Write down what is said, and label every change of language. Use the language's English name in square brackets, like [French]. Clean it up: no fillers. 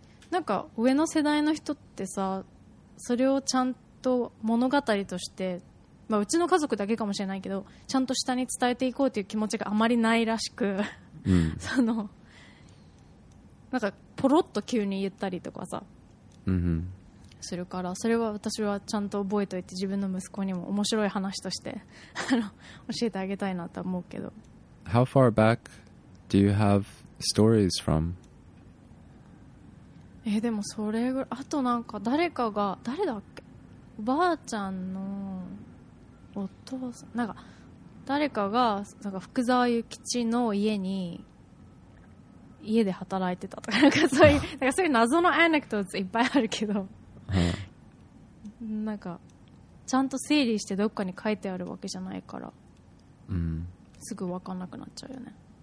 [Japanese] なんか上の世代の人ってさ、それをちゃんと物語として、まあ、うちの家族だけかもしれないけど、ちゃんと下に伝えていこうという気持ちがあまりないらしく、そのなんかポロッと急に言ったりとかさ、するから、それは私はちゃんと覚えておいて、自分の息子にも面白い話として教えてあげたいなと思うけど。 [English] How far back do you have stories from? [Japanese] でもそれぐらい、あとなんか誰かが、誰だっけ、おばあちゃんのお父さん、なんか誰かがなんか福沢諭吉の家で働いてたとか、なんかそういうなんかそういう謎のアネクトーズいっぱいあるけど、なんかちゃんと整理してどっかに書いてあるわけじゃないから、すぐ分かんなくなっちゃうよね。